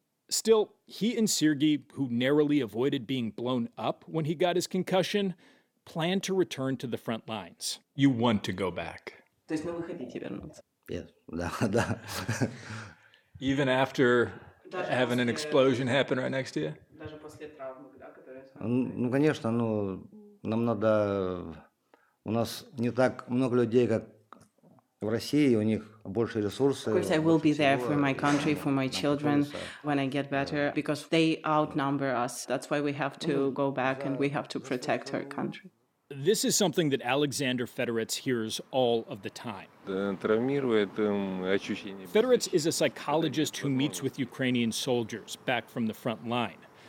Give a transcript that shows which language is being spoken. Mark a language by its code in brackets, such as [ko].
[en] Still, he and Sergei, who narrowly avoided being blown up when he got his concussion, plan to return to the front lines. You want to go back. Yes. Yeah. Even after having an explosion happen right next to you? [ru] Ну, конечно, ну нам надо у нас не так много людей, как в России, у них больше ресурсов. [en] Of course I will be there for my country, for my children when I get better, because they outnumber us. That's why we have to go back and we have to protect our country. This is something that Alexander Federets hears all of the time. Federets is a psychologist who meets with Ukrainian soldiers back from the front line.